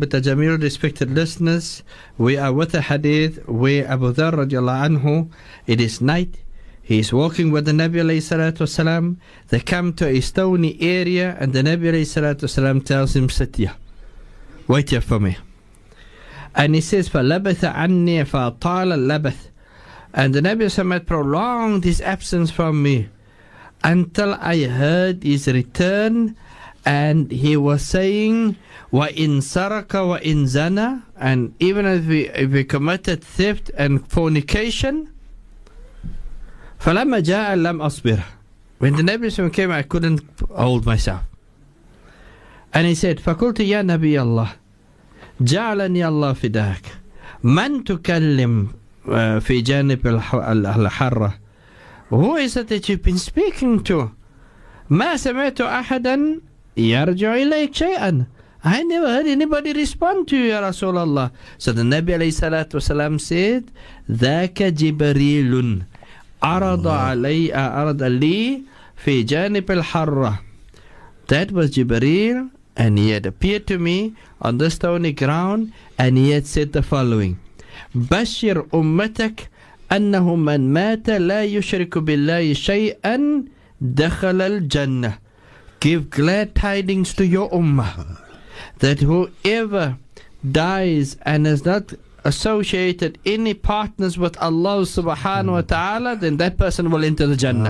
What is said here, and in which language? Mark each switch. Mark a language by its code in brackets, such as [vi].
[en] But Jamil, respected listeners, we are with a hadith where Abu Dharr radiallahu anhu, it is night, he is walking with the Nabi alayhi salatu wasalam. They come to a stony area, and the Nabi alayhi salatu wasalam tells him, sit here, wait here for me. And he says, [ar] فَلَبَثَ عَنِّي فَطَالَ اللَّبَثَ. [en] And the Nabi had prolonged his absence from me until I heard his return, and he was saying, [ar] "Wa in saraka wa in zana," [en] and even if we committed theft and fornication, [ar] فَلَمَّا جَاءَ لَمْ أَصْبِرَ. [en] When the Nabi came, I couldn't hold myself, and he said, [ar] "فَقُلْتُ يَا نَبِيَ اللَّهِ جَعَلَنِي اللَّهُ فِدَاكَ مَنْ تُكَلِّمْ في جانب الحرة. [en] Who is it that you've been speaking to? [ar] ما سمعت أحدا يرجع إليك شيئا. [en] I never heard anybody respond to you, [ar] يا رسول الله. [en] So the Nabi [ar] عليه الصلاة والسلام [en] said, [ar] ذاك جبريل عرض علي أرض لي في جانب الحرة. [en] That was Jibreel, and he had appeared to me on the stony ground, and he had said the following, [ar] بشر أمتك أنه من مات لا يشرك بالله شيئا دخل الجنة. [en] Give glad tidings to your ummah that whoever dies and has not associated any partners with Allah subhanahu wa ta'ala, then that person will enter the Jannah.